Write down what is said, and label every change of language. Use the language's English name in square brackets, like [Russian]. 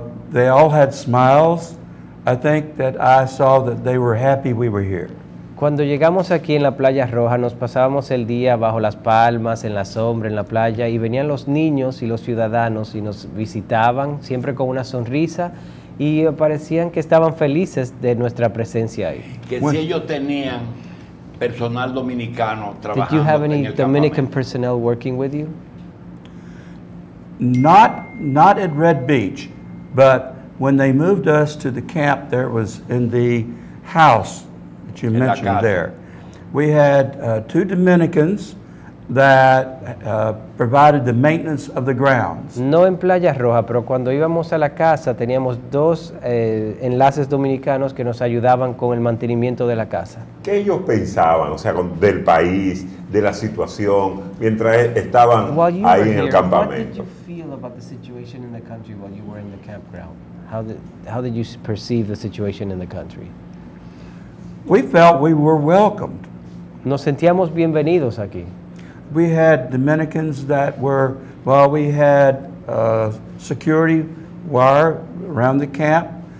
[English] They all had smiles. I think that I saw that they were happy we were here. [Spanish] Cuando llegamos aquí en la Playa Roja, nos pasábamos el día bajo las palmas, en la sombra, en la playa, y venían los niños y los ciudadanos y nos visitaban, siempre con una sonrisa, y parecían que estaban felices de nuestra presencia ahí. Que si ellos tenían personal dominicano trabajando. [English] Did you have any Dominican personnel working with you? Not at Red Beach, but when they moved us to the camp, there was in the house. that you mentioned there. We had two Dominicans that provided the maintenance of the grounds. [Spanish] No en Playa Roja, pero cuando íbamos a la casa teníamos dos enlaces dominicanos que nos ayudaban con el mantenimiento de la casa. ¿Qué ellos pensaban, o sea, del país, de la situación, mientras estaban ahí en el campamento? [English] What did you feel about the situation in the country while you were in the campground? How did you perceive the situation in the country? We felt we were welcomed. [Spanish] Nos sentíamos bienvenidos aquí. [English] We had Dominicans that were, we had security wire around the camp.